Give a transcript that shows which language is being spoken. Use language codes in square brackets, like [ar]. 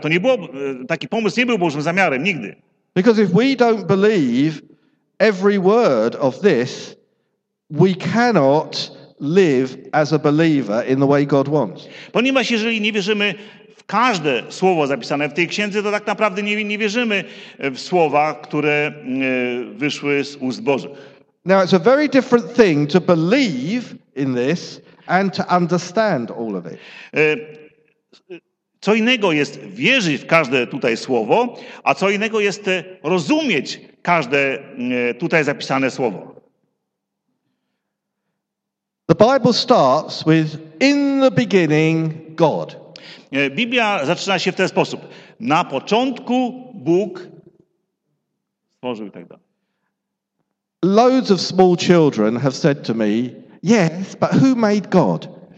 [pl] To nie było, taki pomysł nie był Bożym zamiarem nigdy. [en] Because if we don't believe every word of this, we cannot live as a believer in the way God wants. [pl] Ponieważ jeżeli nie wierzymy każde słowo zapisane w tej księdze, to tak naprawdę nie wierzymy w słowa, które wyszły z ust Bożych. [en] Now it's a very different thing to believe in this and to understand all of it. [pl] Co innego jest wierzyć w każde tutaj słowo, a co innego jest rozumieć każde tutaj zapisane słowo. [en] The Bible starts with in the beginning God. [pl] Biblia zaczyna się w ten sposób. Na początku Bóg stworzył i tak dalej. [en] Loads of small children have said to me, yes, but who made God?